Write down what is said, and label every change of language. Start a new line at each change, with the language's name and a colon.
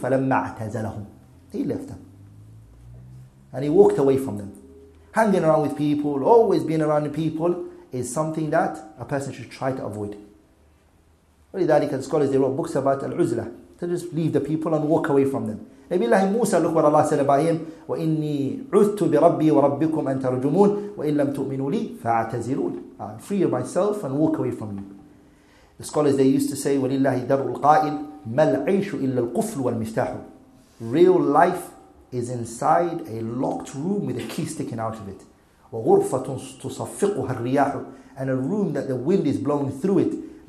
Arabic: فَلَمَّا اعْتَزَلَهُمْ
English: He left them. And he walked away from them. Hanging around with people, always being around people, is something that a person should try to avoid. وَلِذَلِكَ the scholars, they wrote books about Al-Uzla. To just leave the people and walk away from them. Nabiullah Musa, look what Allah said about him.
Arabic: وَإِنِّي عُثْتُ بِرَبِّي وَرَبِّكُمْ أَن تَرْجُمُونَ وَإِنْ لَمْ تُؤْمِنُوا لِي فَاعْتَزِلُونَ
English: I'll free myself and walk away from you. The scholars, they used to say,
Arabic: وَلِلَّهِ دَرُّ الْقَائِلِ مَا الْعِيشُ إِلَّا الْقُفْلُ وَالْمِفْتَاحُ
English: Real life is inside a locked room with a key sticking out of it.
Arabic: وَغُرْفَةٌ تُصَفِّقُهَا الرِّيَاحُ
English: And a room that the wind is blowing through it.